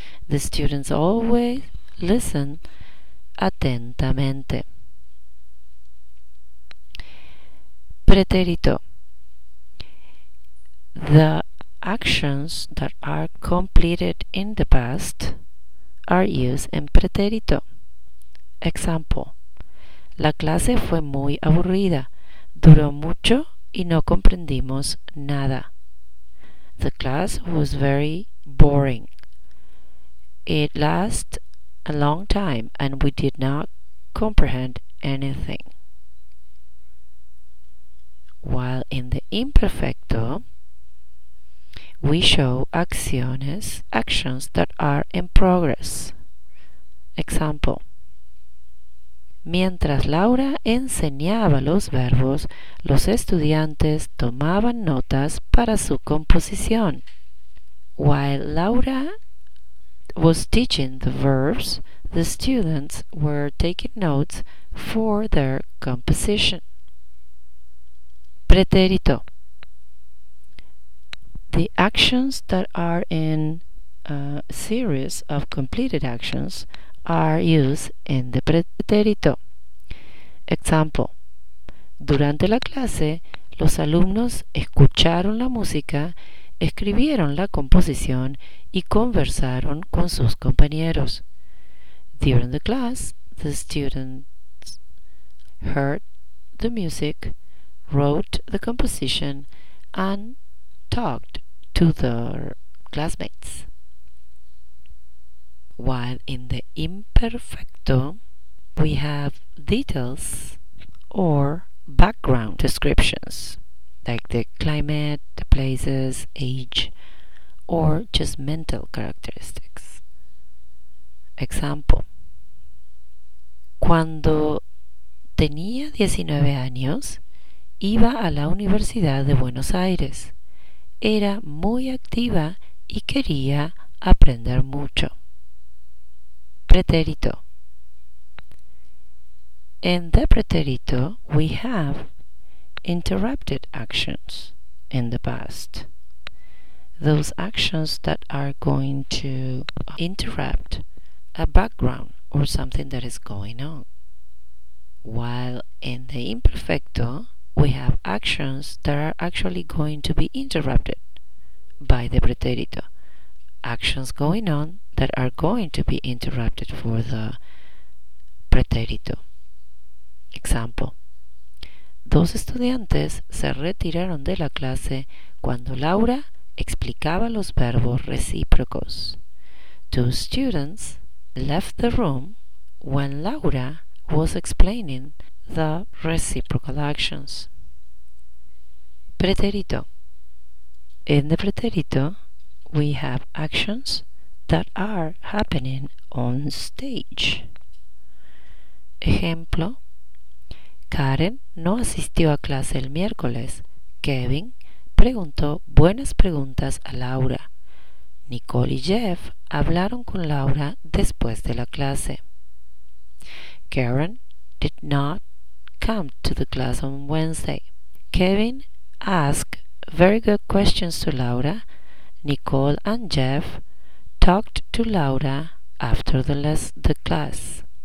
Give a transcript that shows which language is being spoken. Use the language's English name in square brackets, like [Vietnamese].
[English] The students always listened atentamente. [Spanish] Pretérito. [English] The actions that are completed in the past are used in pretérito. Example. [Spanish] La clase fue muy aburrida, duró mucho y no comprendimos nada. [English] The class was very boring. It lasted a long time and we did not comprehend anything. While in the imperfecto, we show actions that are in progress. Example. [Spanish] Mientras Laura enseñaba los verbos, los estudiantes tomaban notas para su composición. [English] While Laura was teaching the verbs, the students were taking notes for their composition. Pretérito. The actions that are in a series of completed actions are used in the pretérito. Example. [Spanish] Durante la clase, los alumnos escucharon la música, escribieron la composición y conversaron con sus compañeros. [English] During the class, the students heard the music, wrote the composition, and talked to their classmates. While in the imperfecto, we have details or background descriptions, like the climate, the places, age, or just mental characteristics. Example. [Spanish] Cuando tenía 19 años, iba a la Universidad de Buenos Aires. Era muy activa y quería aprender mucho. Pretérito. [English] In the pretérito, we have interrupted actions in the past. Those actions that are going to interrupt a background or something that is going on. While in the imperfecto, we have actions that are actually going to be interrupted by the pretérito. Actions going on that are going to be interrupted for the pretérito. [Spanish] Example: Dos estudiantes se retiraron de la clase cuando Laura explicaba los verbos recíprocos. [English] Two students left the room when Laura was explaining the reciprocal actions. Pretérito. In the pretérito, we have actions that are happening on stage. [Spanish] Ejemplo: Karen no asistió a clase el miércoles. Kevin preguntó buenas preguntas a Laura. Nicole y Jeff hablaron con Laura después de la clase. [English] Karen did not come to the class on Wednesday. Kevin asked very good questions to Laura. Nicole and Jeff talked to Laura after the class.